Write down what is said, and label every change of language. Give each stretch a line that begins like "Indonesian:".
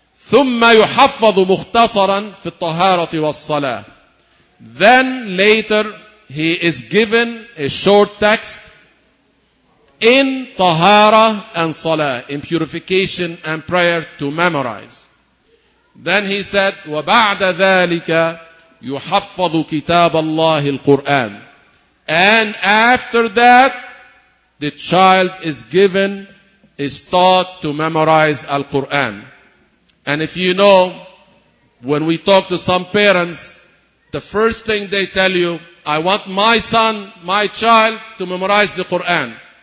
Arabic: ثُمَّ يُحَفَّظُ مُخْتَصَرًا فِي الطَّهَارَةِ وَالصَّلَاةِ.
English: Then later he is given a short text in tahara and salah, in purification and prayer, to memorize. Then he said,
Arabic: وَبَعْدَ ذَٰلِكَ يُحَفَّظُ كِتَابَ اللَّهِ الْقُرْآنِ.
English: And after that, the child is given, is taught to memorize Al-Qur'an. And if you know, when we talk to some parents, the first thing they tell you, I want my son, my child, to memorize the Qur'an.